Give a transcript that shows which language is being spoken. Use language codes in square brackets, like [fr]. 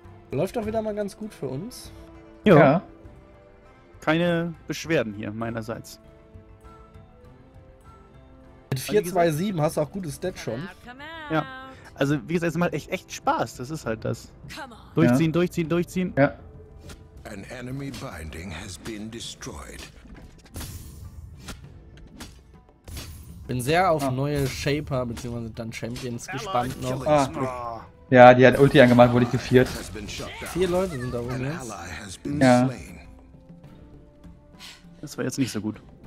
[de] Läuft doch wieder mal ganz gut für uns. Jo. Ja. Keine Beschwerden hier meinerseits. Mit 427 hast du auch gutes Stat schon. Ja. Also wie gesagt, es macht echt Spaß. Das ist halt das. Durchziehen, ja. durchziehen. Ja. [en] An enemy binding has been destroyed. [de] Bin sehr auf neue Shaper bzw. dann Champions gespannt noch. Ja, die hat Ulti angemacht, wurde ich gefeiert. Vier Leute sind da oben jetzt. Ja. Das war jetzt nicht so gut.